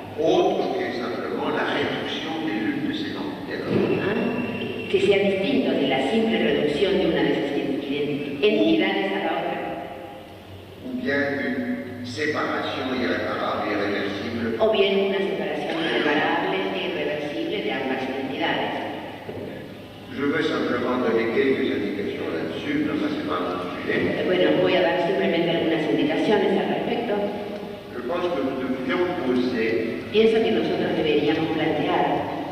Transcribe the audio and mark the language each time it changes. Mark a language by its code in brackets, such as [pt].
[es] Otro que es simplemente la reducción de una de esas entidades. Que sea distinto de la simple reducción de una de esas entidades a la otra. O bien una separación irreparable e irreversible. O bien una separación irreparable e irreversible de ambas entidades. [fr] Je veux simplement donner quelques indications là-dessus, mais ça c'est pas un sujet. [es] Bueno, voy a dar simplemente algunas indicaciones al respecto. [fr] Je pense que nous devrions poser. [es] Pienso que nosotros deberíamos plantear.